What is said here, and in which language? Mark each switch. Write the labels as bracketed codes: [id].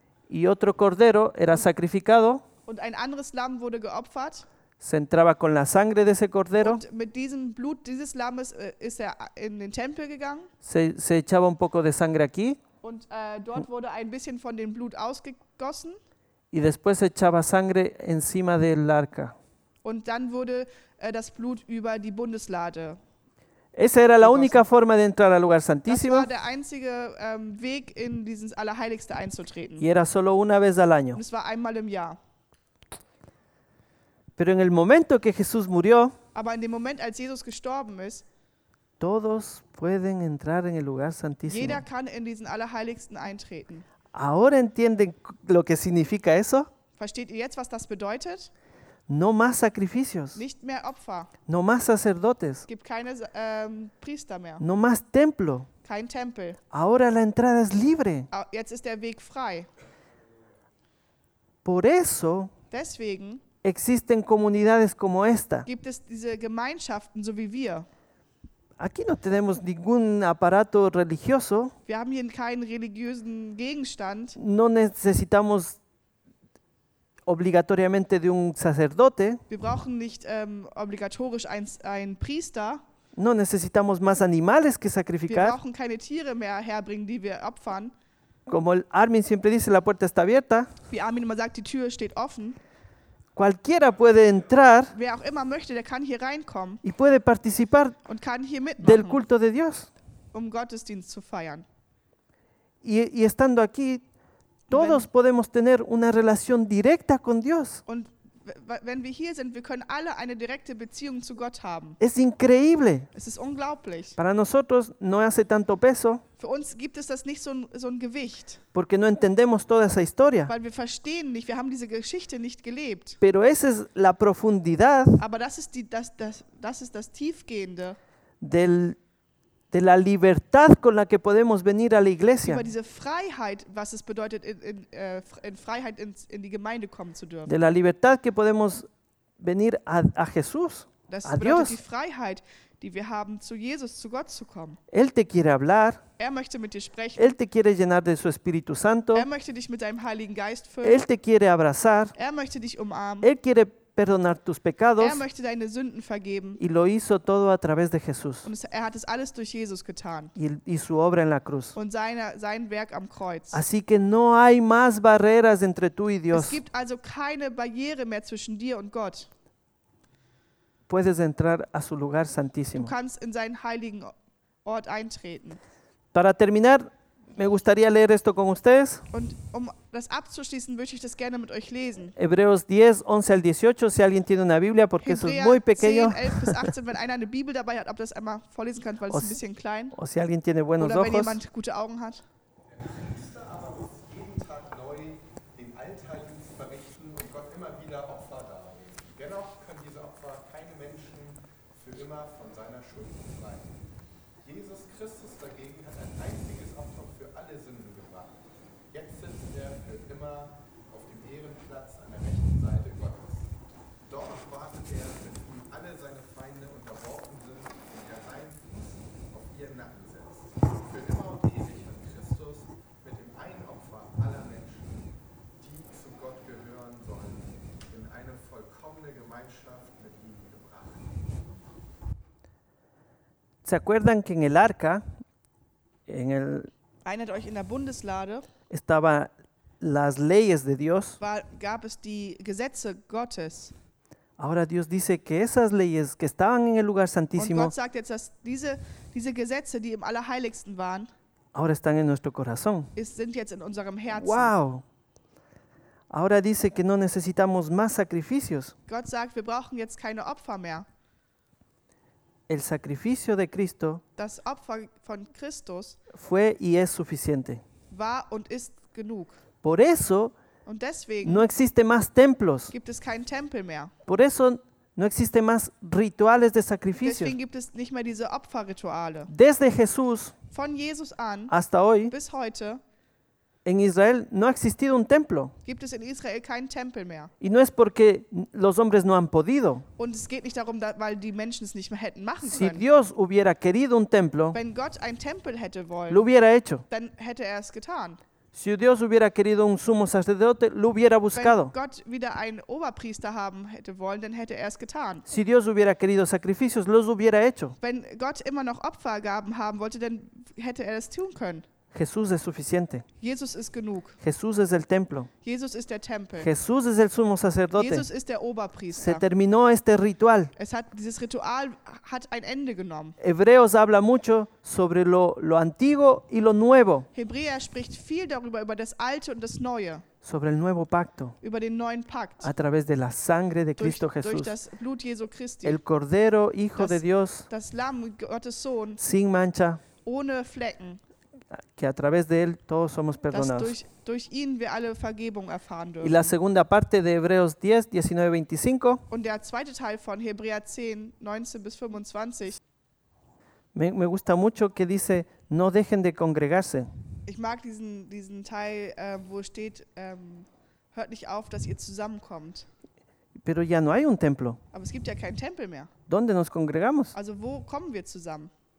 [es] Y otro cordero era sacrificado. [de] Und ein anderes Lamm wurde geopfert. [es] Se entraba con la sangre de ese cordero. [de] Und mit diesem Blut dieses Lammes ist er in den Tempel gegangen. [es] Se echaba un poco de sangre aquí. [de] Und dort wurde ein bisschen von dem Blut ausgegossen. [es] Y después se echaba sangre encima del arca. [de] Und dann wurde das Blut über die Bundeslade. [es] Esa era la única forma de entrar al lugar santísimo. [de] Das war der einzige Weg, in dieses Allerheiligste einzutreten. [es] Y era solo una vez al año. [de] Und es war einmal im Jahr. [es] Pero en el momento que Jesús murió, [de] aber in dem Moment, als Jesus gestorben ist, [es] todos pueden entrar en el lugar santísimo. [de] Jeder kann in diesen Allerheiligsten eintreten. [es] Ahora entienden lo que significa eso? [de] Versteht ihr jetzt, was das bedeutet? [es] No más sacrificios. [de] Nicht mehr Opfer. [es] No más sacerdotes. [de] Gibt keine Priester mehr. [es] No más templo. [de] Kein Tempel. [es] Ahora la entrada es libre. [de] Jetzt ist der Weg frei. [es] Por eso. [de] Deswegen. [es] Existen comunidades como esta. [de] Gibt es diese Gemeinschaften, so wie wir. [es] Aquí no tenemos ningún aparato religioso. [de] Wir haben hier keinen religiösen Gegenstand. [es] No necesitamos obligatoriamente de un sacerdote. [de] Wir brauchen nicht obligatorisch einen Priester. [es] No necesitamos más animales que sacrificar. [de] Wir brauchen keine Tiere mehr herbringen, die wir opfern. [es] Como Armin siempre dice, la puerta está abierta. [de] Wie Armin immer sagt, die Tür steht offen. [es] Cualquiera puede entrar. [de] Wer auch immer möchte, der kann hier reinkommen. [es] Y puede participar. [de] Und kann hier mitmachen. [es] Del culto de Dios. [de] Um Gottesdienst zu feiern. [es] Y estando aquí, todos podemos tener una relación directa con Dios. [de] Und wenn wir hier sind, wir können alle eine direkte Beziehung zu Gott haben. [es] Es increíble. [de] Es ist unglaublich. [es] Para nosotros no hace tanto peso. [de] Für uns gibt es das nicht so ein Gewicht. [es] Porque no entendemos toda esa historia. [de] Weil wir verstehen nicht, wir haben diese Geschichte nicht gelebt. [es] Pero esa es la profundidad. [de] Aber das ist das Tiefgehende. [es] De la libertad con la que podemos venir a la iglesia. [de] Über diese Freiheit, was es bedeutet, in Freiheit in die Gemeinde kommen zu dürfen. [es] De la libertad que podemos venir a Jesús, [de] das [es] a [de] bedeutet [es] Dios. [de] Die Freiheit, die wir haben, zu Jesus, zu Gott zu kommen. [es] Él te quiere hablar. [de] Er möchte mit dir sprechen. [es] Él te quiere llenar de su Espíritu Santo. [de] Er möchte dich mit deinem Heiligen Geist füllen. [es] Él te quiere abrazar. [de] Er möchte dich umarmen. [es] Él quiere perdonar tus pecados. [de] Er möchte deine Sünden vergeben. [es] Y lo hizo todo a través de Jesús. [de] Und er hat es alles durch Jesus getan. [es] Y su obra en la cruz. [de] Und sein Werk am Kreuz. [es] Así que no hay más barreras entre tú y Dios. [de] Es gibt also keine Barriere mehr zwischen dir und Gott. [es] Puedes entrar a su lugar santísimo. [de] Du kannst in seinen heiligen Ort eintreten. [es] Para terminar, me gustaría leer esto con ustedes. [de] Und um das abzuschließen, würde ich das gerne mit euch lesen. [es] Hebreos 10, 11 al 18, si alguien tiene una Biblia, porque eso es muy pequeño. [de] Hebräer 10, 11 bis 18, wenn einer eine Bibel dabei hat, ob das einmal vorlesen kann, weil es ein bisschen klein. [es] O si alguien tiene buenos [de] oder [es] ojos. [de] Wenn jemand gute Augen hat. Der Priester aber muss jeden Tag neu den alltäglichen verrichten und Gott immer wieder Opfer darbringen. Dennoch können diese Opfer keine Menschen für immer von seiner Schuld befreien. Jesus Christus dagegen hat ein einziges Opfer für alle Sünden gebracht. Jetzt sitzt er für immer auf dem Ehrenplatz an der rechten Seite Gottes. Dort wartet er, bis ihm alle seine Feinde unterworfen sind und er sein Fuß auf ihren Nacken setzt. Für immer und ewig hat Christus mit dem einen Opfer aller Menschen, die zu Gott gehören sollen, in eine vollkommene Gemeinschaft mit ihm gebracht. [es] ¿Se acuerdan que en el arca, en el, [de] erinnert euch, in der Bundeslade, [es] estaba las leyes de Dios? [de] War, gab es die Gesetze Gottes. [es] Ahora Dios dice que esas leyes que estaban en el lugar santísimo, [de] und Gott sagt jetzt, dass diese Gesetze, die im Allerheiligsten waren, [es] ahora están en nuestro corazón. [de] Sind jetzt in unserem Herzen. Wow. [es] Ahora dice que no necesitamos más sacrificios. [de] Gott sagt, wir brauchen jetzt keine Opfer mehr. [es] El sacrificio de Cristo, [de] das Opfer von Christus, [es] fue y es suficiente. [de] War und ist genug. [es] Por eso, [de] und deswegen, [es] no existe más templos. [de] Gibt es keinen Tempel mehr. [es] Por eso, no existe más rituales de sacrificios. [de] Deswegen gibt es nicht mehr diese Opferrituale. [es] Desde Jesús, [de] von Jesus an, [es] hasta hoy, [de] bis heute, [es] en Israel no ha existido un templo. [de] Gibt es in Israel keinen Tempel mehr. [es] Y no es porque los hombres no han podido. [de] Und es geht nicht darum, weil die Menschen es nicht mehr hätten machen [es] si [de] können. [es] Dios hubiera querido un templo, [de] wenn Gott einen Tempel hätte wollen, [es] lo hubiera hecho. [de] Dann hätte er es getan. [es] Si Dios hubiera querido un sumo sacerdote, lo hubiera buscado. [de] Wenn Gott wieder einen Oberpriester haben hätte wollen, dann hätte er es getan. [es] Si Dios hubiera querido sacrificios, los hubiera hecho. [de] Wenn Gott immer noch Opfergaben haben wollte, dann hätte er es tun können. [es] Jesús es suficiente. [de] Jesus ist genug. [es] Jesús es el templo. [de] Jesus ist der Tempel. [es] Jesús es el sumo sacerdote. [de] Jesus ist der Oberpriester. [es] Se terminó este ritual. [de] Es hat, dieses Ritual hat ein Ende genommen. [es] Hebreos habla mucho sobre lo antiguo y lo nuevo. [de] Hebräer spricht viel darüber, über das Alte und das Neue. [es] Sobre el nuevo pacto. [de] Über den neuen Pakt. [es] A través de la sangre de Cristo Jesús. [de] Durch das Blut Jesu Christi. [es] El Cordero, Hijo de Dios. [de] Das Lamm, Gottes Sohn. [es] Sin mancha. [de] Ohne Flecken. [es] Que a través de él todos somos perdonados. [de] Durch ihn wir alle Vergebung erfahren dürfen. [es] Y la segunda parte de Hebreos 10, 19, 25. [de] Und der zweite Teil von Hebräer 10, 19 bis 25. [es] Me gusta mucho que dice, no dejen de congregarse. [de] Ich mag diesen Teil, wo steht, hört nicht auf, dass ihr zusammenkommt. [es] Pero ya no hay un templo. [de] Aber es gibt ja keinen Tempel mehr. [es] ¿Dónde nos congregamos? [de] Also wo kommen wir zusammen?